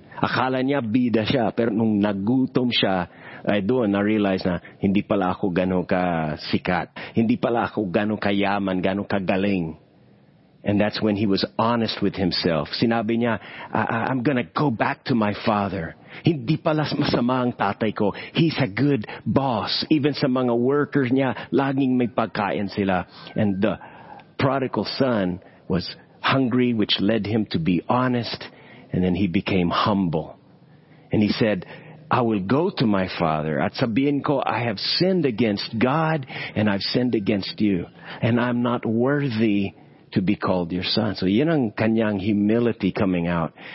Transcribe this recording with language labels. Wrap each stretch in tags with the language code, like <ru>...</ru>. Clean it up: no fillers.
<tl>Akala niya bida siya, pero nung nagutom siya, ay doon, na-realize na, hindi pala ako gano'ng ka-sikat. Hindi pala ako gano'ng kayaman, gano'ng kagaling.</tl> <en>And that's when he was honest with himself.</en> <tl>Sinabi niya,</tl> <en>I'm gonna go back to my father.</en> <tl>Hindi pala masama ang tatay ko.</tl> <en>He's a good boss.</en> <tl>Even sa mga workers niya, laging may pagkain sila.</tl> <en>And the prodigal son was hungry, which led him to be honest. And then he became humble. And he said, I will go to my father.</en> <tl>At sabihin ko,</tl> <en>I have sinned against God and I've sinned against you. And I'm not worthy to be called your son. So</en> <tl>yun ang kanyang</tl> <en>humility coming out.</en>